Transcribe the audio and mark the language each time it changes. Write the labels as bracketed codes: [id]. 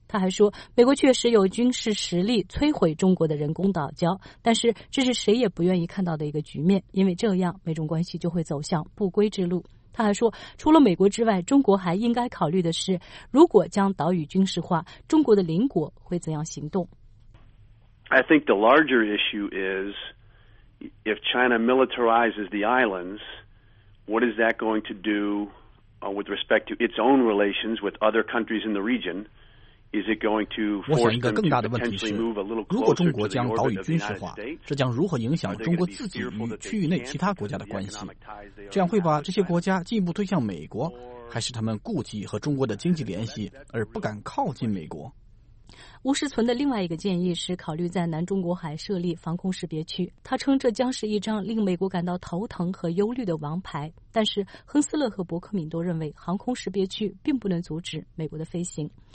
[zh] 他还说，美国确实有军事实力摧毁中国的人工岛礁，但是这是谁也不愿意看到的一个局面，因为这样美中关系就会走向不归之路。他还说，除了美国之外，中国还应该考虑的是，如果将岛屿军事化，中国的邻国会怎样行动。 [en] I think the larger issue is if China militarizes the islands, what is that going to do with respect to its own relations with other countries in the region? Is it going to force them to potentially move a little closer to the orbit of the United States? [zh] 这将如何影响中国自己与区域内其他国家的关系？这样会把这些国家进一步推向美国，还是他们顾忌和中国的经济联系而不敢靠近美国？吴世存的另外一个建议是考虑在南中国海设立防空识别区，他称这将是一张令美国感到头疼和忧虑的王牌，但是亨斯勒和伯克敏都认为航空识别区并不能阻止美国的飞行。